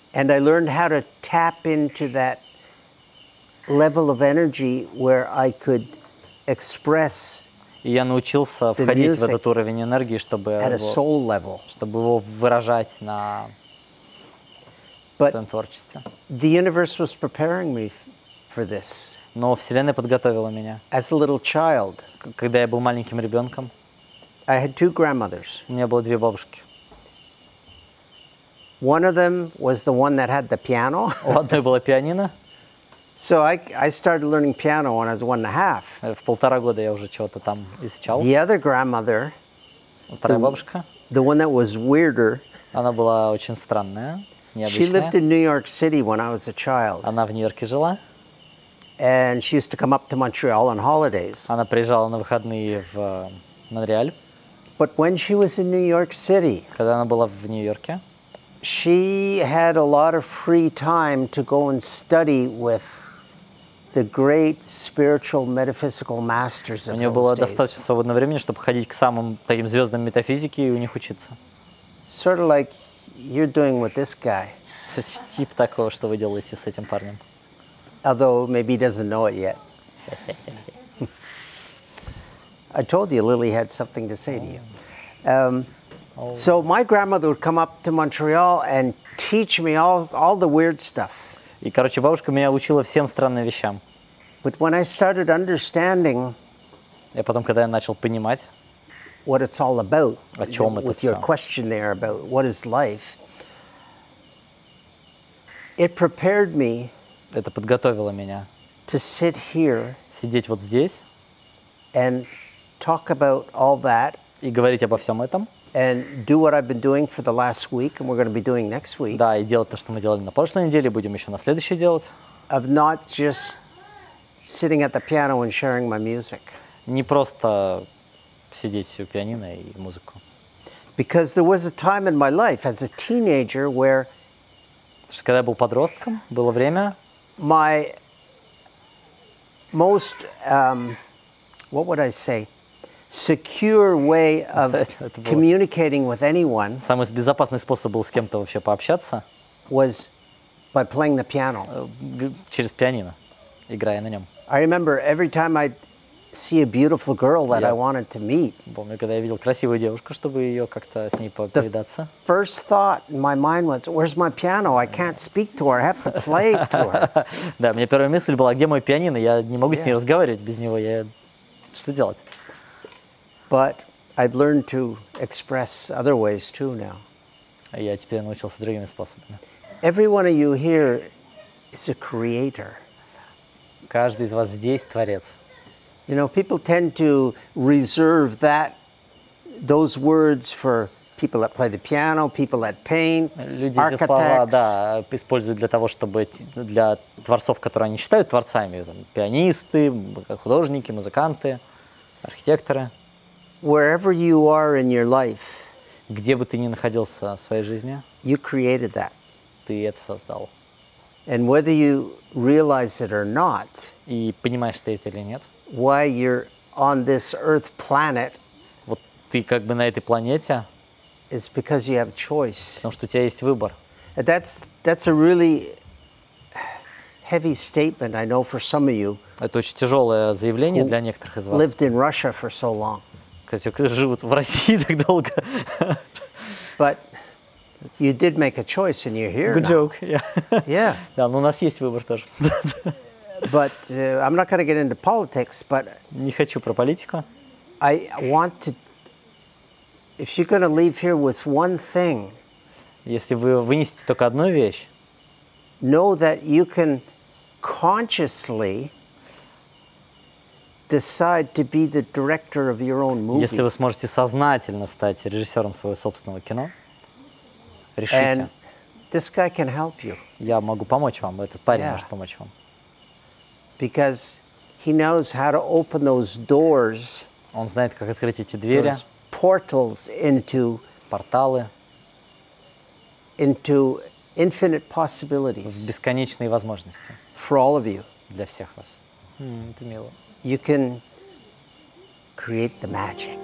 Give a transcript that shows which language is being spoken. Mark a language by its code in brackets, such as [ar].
[en] And I learned how to tap into that level of energy where I could express. [ru] И я научился входить в этот уровень энергии, чтобы [en] at a soul level. [ru] Чтобы его выражать на своем творчестве. [en] The universe was preparing me for this. [ru] Но Вселенная подготовила меня. [en] As a little child. [ru] Когда я был маленьким ребенком. [en] I had two grandmothers. [ru] У меня было две бабушки. [en] One of them was the one that had the piano. [ru] У одной было пианино. [en] So I started learning piano when I was 1.5. [ru] В полтора года я уже чего-то там изучал. [en] The other grandmother. [ru] Вторая бабушка. [en] The one that was weirder. [ru] Она была очень странная, необычная. [en] She lived in New York City when I was a child. [ru] Она в Нью-Йорке жила. [en] And she used to come up to Montreal on holidays. [ru] Она приезжала на выходные в Монреаль. [en] But when she was in New York City, [ru] когда она была в Нью-Йорке, [en] she had a lot of free time to go and study with the great spiritual metaphysical masters of those days. [ru] У нее было достаточно свободного времени, чтобы ходить к самым таким звездам метафизики и у них учиться. [en] Sort of like you're doing with this guy. [ru] Тип такого, что вы делаете с этим парнем. [en] Although maybe he doesn't know it yet. I told you Lily had something to say to you. So my grandmother would come up to Montreal and teach me all the weird stuff. [ru] И, короче, бабушка меня учила всем странным вещам. [en] But when I started understanding, [ru] я потом, когда я начал понимать, [en] what it's all about, [ru] о чем это все, [en] with your question there about what is life, it prepared me. [ru] Это подготовило меня. [en] To sit here, [ru] сидеть вот здесь, [en] and talk about all that, [ru] и говорить обо всем этом. [en] And do what I've been doing for the last week, and we're going to be doing next week. [ru] Да, и делать то, что мы делали на прошлой неделе, будем еще на следующей делать. [en] Of not just sitting at the piano and sharing my music. [ru] Не просто сидеть у пианино и музыку. [en] Because there was a time in my life as a teenager where. [ru] Потому что когда я был подростком, было время. [en] My most, what would I say? Secure way of communicating with anyone. [ru] Самый безопасный способ был с кем-то вообще пообщаться. [en] Was by playing the piano. [ru] Через пианино, играя на нем. [en] I remember every time I'd see a beautiful girl that I wanted to meet. [ru] Помню, когда я видел красивую девушку, чтобы ее как-то с ней повидаться. [en] The first thought in my mind was, "Where's my piano? I can't speak to her. I have to play to her." [ru] Да, мне первая мысль была, где мой пианино? Я не могу с ней разговаривать без него. Я что делать? [en] But I've learned to express other ways too now. [ru] Я теперь научился другими способами. [en] Every one of you here is a creator. [ru] Каждый из вас здесь творец. [en] You know, people tend to reserve those words for people that play the piano, people that paint, [ru] люди [en] architects. [ru] Люди эти слова, да, используют для того, чтобы для творцов, которые они считают творцами, там, пианисты, художники, музыканты, архитекторы. [en] Wherever you are in your life, [ru] где бы ты ни находился в своей жизни, [en] you created that. [ru] Ты это создал. [en] And whether you realize it or not, [ru] и понимаешь ты это или нет, [en] why you're on this earth planet, [ru] вот ты как бы на этой планете, [en] is because you have choice. [ru] Потому что у тебя есть выбор. [en] That's a really heavy statement, I know, for some of you. [ru] Это очень тяжелое заявление для некоторых из вас. [en] Lived in Russia for so long. [ru] Живут в России так долго. [en] But You did make a choice and you're here. Good joke. Yeah. Yeah. [ru] Да, но у нас есть выбор тоже. [en] But I'm not going to get into politics, but [ru] не хочу про политику. [en] I want to, if you're going to leave here with one thing, [ru] если вы вынесете только одну вещь, [en] know that you can consciously decide to be the director of your own movie. [ru] Если вы сможете сознательно стать режиссером своего собственного кино, решите. [en] And this guy can help you. [ru] Я могу помочь вам, этот парень может помочь вам. [en] Because he knows how to open those doors. [ru] Он знает, как открыть эти двери. [en] Those portals into [ru] порталы. [en] Into infinite possibilities. [ru] В бесконечные возможности. [en] For all of you. [ru] Для всех вас. Это мило. [en] You can create the magic.